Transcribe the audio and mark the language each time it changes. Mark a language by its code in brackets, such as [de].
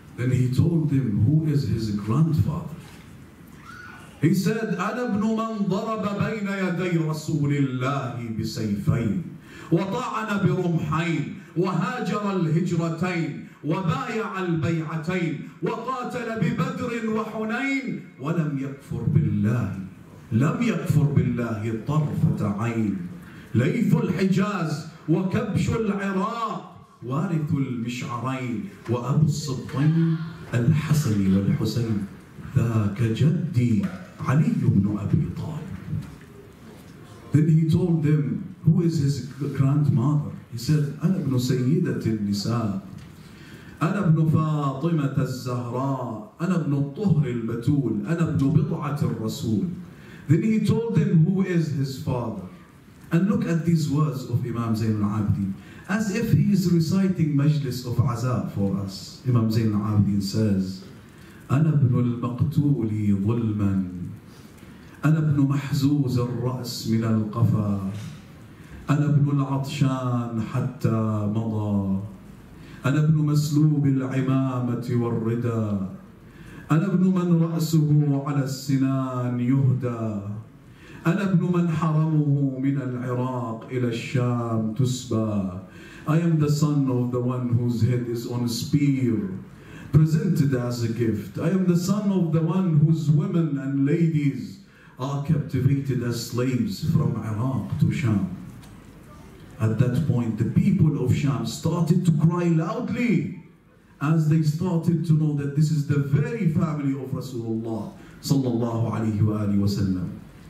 [en] Then he told them, who is his grandfather? He said, [ar] أنا ابن من ضرب بين يدي رسول الله بسيفين وطعن برمحين وهاجر الهجرتين وبايع البيعتين وقاتل ببدر وحنين ولم يكفر بالله لم يكفر بالله طرفة عين ليث الحجاز وكبش العراق وارث المشعرين وأبو الصبطين الحسن والحسين ذاك جدي علي بن أبي طالب. [en] Then he told them, who is his grandmother? He said, [ar] أنا ابن سيدة النساء. أنا ابن فاطمة الزهراء. أنا ابن الطهر البتول. أنا ابن بضعة الرسول. [en] Then he told them, who is his father? And look at these words of Imam Zain al-Abidin. As if he is reciting Majlis of Aza for us. Imam Zain al-Abidin says, [ar] أنا ابن المقتول ظلما. أنا ابن محزوز الرأس من القفا. أنا ابن العطشان حتى مضى. أنا ابن مسلوب العمامة والردى. أنا ابن من رأسه على السنان يهدى. أنا ابن من حرمه من العراق إلى الشام تسبى. [en] I am the son of the one whose head is on a spear, presented as a gift. I am the son of the one whose women and ladies are captivated as slaves from Iraq to Sham. At that point, the people of Sham started to cry loudly as they started to know that this is the very family of Rasulullah sallallahu alayhi wa alihi wa sallam.